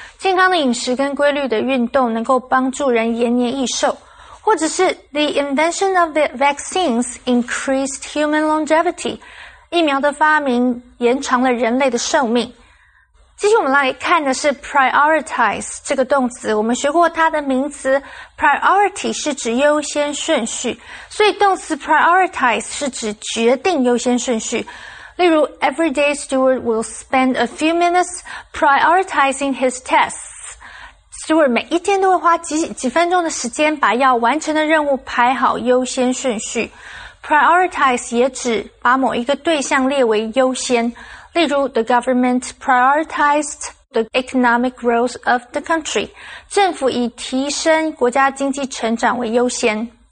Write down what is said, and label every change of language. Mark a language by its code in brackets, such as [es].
[zh] 健康的饮食跟规律的运动能够帮助人延年益寿。或者是 [en] the invention of the vaccines increased human longevity. [zh] 疫苗的发明延长了人类的寿命。继续我们来看的是 prioritize 这个动词，我们学过它的名词 priority 是指优先顺序，所以动词 prioritize 是指决定优先顺序。例如 [en] everyday Stuart will spend a few minutes prioritizing his tests. [zh] Stuart 每一天都会花 几分钟的时间把要完成的任务排好优先顺序。 [en] prioritize [zh] 也指把某一个对象列为优先，例如 [en] the government prioritized the economic growth of the country. [zh] 政府以提升国家经济成长为优先。